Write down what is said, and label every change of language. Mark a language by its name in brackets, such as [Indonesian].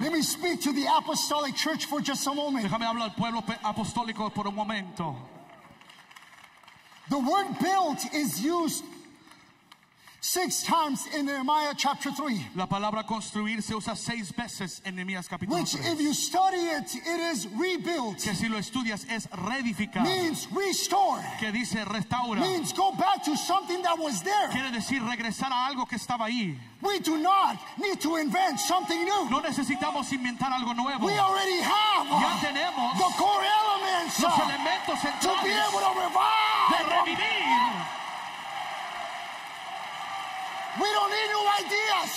[English] Let me speak to the Apostolic Church for just a moment. [Spanish] Déjame hablar al pueblo apostólico por un momento. [English] The word built is used Six times in Nehemiah chapter 3. [Spanish] La palabra construir se usa seis veces en Nehemías capítulo 3. [English] Which, if you study it, it is rebuilt. [Spanish] Que si lo estudias es reedificar. [English] Means restore. [Spanish] Que dice restaura. [English] Means go back to something that was there. [Spanish] Quiere decir regresar a algo que estaba ahí. [English] We do not need to invent something new. [Spanish] No necesitamos inventar algo nuevo. [English] We already have. [Spanish] Ya tenemos [English] the core elements. [Spanish] Los elementos centrales. [English] To be able to revive. [Spanish] De revivir. [English] We don't need new ideas.